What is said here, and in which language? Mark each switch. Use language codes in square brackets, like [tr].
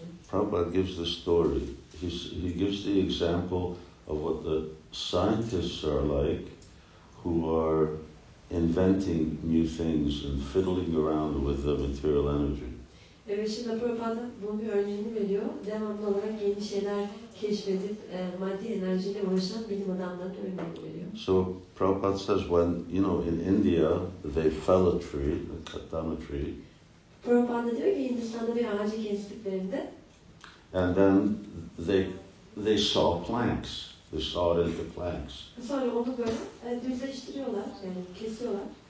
[en] Prabhupada gives the story. He gives the example of what the scientists are like who are inventing new things and fiddling around with the material energy. [tr] Evet, şimdi Prabhupada bunun bir örneğini veriyor. Devamlı olarak yeni şeyler keşfedip maddi enerjiyle uğraşan bilim adamlarının örneğini veriyor. [en] So Prabhupada says when, you know, in India they fell a tree, they cut down a tree. [tr] Prabhupada diyor ki Hindistan'da bir ağacı kestiklerinde. [en] And then they saw planks. They saw it into planks. [tr] Sonra onu böyle düzleştiriyorlar, yani kesiyorlar.